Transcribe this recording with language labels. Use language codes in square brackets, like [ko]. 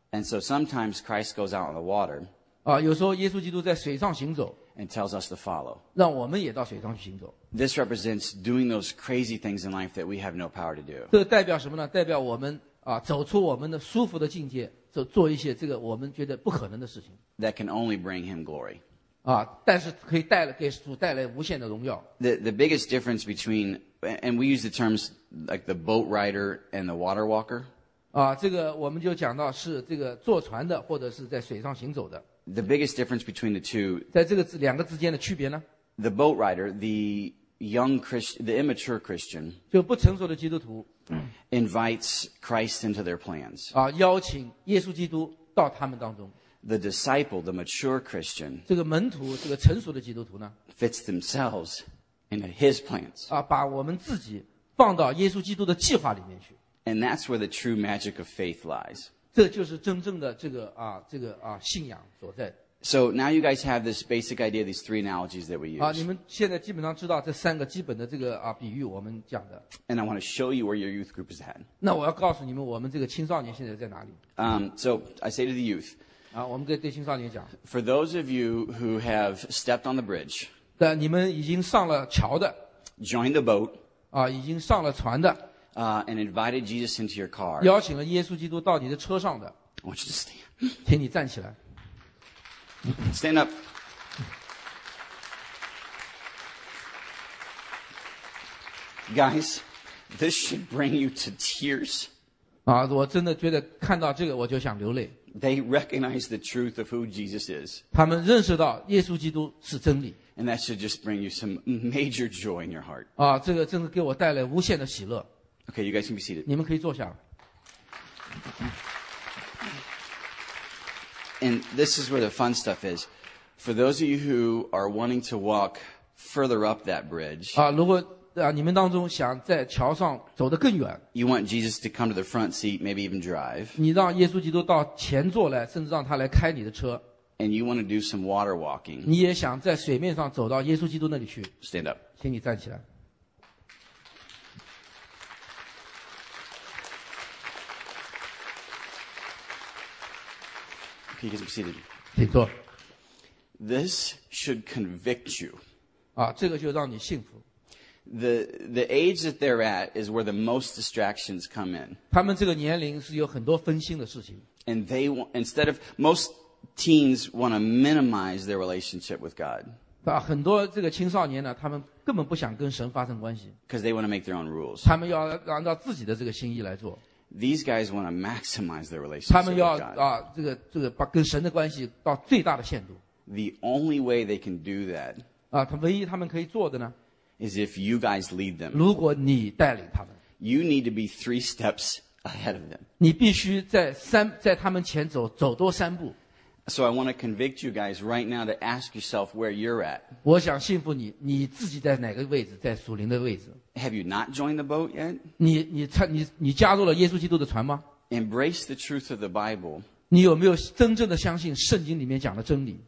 [en] And so sometimes Christ goes out on the water [zh] 啊，有时候耶稣基督在水上行走 [en] and tells us to follow [zh] 让我们也到水上去行走。 [en] This represents doing those crazy things in life that we have no power to do. [zh] 这代表什么呢？代表我们啊，走出我们的舒服的境界，做做一些这个我们觉得不可能的事情。 [en] That can only bring him glory. [zh] 啊，但是可以带来给主带来无限的荣耀。 [en] The biggest difference between and we use the terms like the boat rider and the water walker. [zh] 啊，这个我们就讲到是这个坐船的或者是在水上行走的。 [en] The biggest difference between the two. [zh] 在这个两个之间的区别呢？ [en] The boat rider, the young Christian, the immature Christian, [zh] 就不成熟的基督徒 [en] invites Christ into their plans. [zh] 啊，邀请耶稣基督到他们当中。 [en] The disciple, the mature Christian, [zh] 这个门徒，这个成熟的基督徒呢 [en] fits themselves into his plans. [zh] 啊，把我们自己放到耶稣基督的计划里面去。 [en] And that's where the true magic of faith lies. [zh] 这就是真正的这个啊，这个啊，信仰所在。 [en] So now you guys have this basic idea, these three analogies that we use. [zh] 啊，你们现在基本上知道这三个基本的这个啊比喻我们讲的。 [en] And I want to show you where your youth group is at. [zh] 那我要告诉你们，我们这个青少年现在在哪里。 [en] So I say to the youth. [zh] 啊，我们跟对青少年讲。 [en] For those of you who have stepped on the bridge. [zh] 的，你们已经上了桥的。 [en] Joined the boat. [zh] 啊，已经上了船的。 [en] And invited Jesus into your car. [zh] 邀请了耶稣基督到你的车上的。 [en] I want you to stand. [zh] 请你站起来。 [en] Stand up. Guys, this should bring you to tears. [zh] 啊，我真的觉得看到这个我就想流泪。 [en] They recognize the truth of who Jesus is. [zh] 他们认识到耶稣基督是真理。 [en] And that should just bring you some major joy in your heart. [zh] 啊，这个真的给我带来无限的喜乐。 [en] Okay, you guys can be seated. [zh] 你们可以坐下。 [en] And this is where the fun stuff is. For those of you who are wanting to walk further up that bridge, [zh] 啊，如果啊，你们当中想在桥上走得更远， [en] you want Jesus to come to the front seat, maybe even drive. [zh] 你让耶稣基督到前座来，甚至让他来开你的车。 [en] And you want to do some water walking. [zh] 你也想在水面上走到耶稣基督那里去。 [en] Stand up. [zh] 请你站起来。 [en] You guys be seated. [zh] 请坐。 [en] This should convict you. [zh] 啊，这个就让你幸福。 [en] The age that they're at is where the most distractions come in. [zh] 他们这个年龄是有很多分心的事情。 [en] And they want, instead of most teens want to minimize their relationship with God. [zh] 啊，很多这个青少年呢，他们根本不想跟神发生关系。 [en] Because they want to make their own rules. [zh] 他们要按照自己的这个心意来做。 [en] These guys want to maximize their relationship with God. [zh] 他们要啊，这个把跟神的关系到最大的限度。 [en] The only way they can do that. [zh] 啊，他唯一他们可以做的呢 [en] ，is if you guys lead them. [zh] 如果你带领他们。 [en] You need to be three steps ahead of them. [zh] 你必须在他们前走多三步。 [en] So I want to convict you guys right now to ask yourself where you're at. [zh] 我想信服你，你自己在哪个位置，在属灵的位置。 [en] Have you not joined the boat yet? [zh] 你加入了耶稣基督的船吗 [en] ？Embrace the truth of the Bible. [zh] 你有没有真正的相信圣经里面讲的真理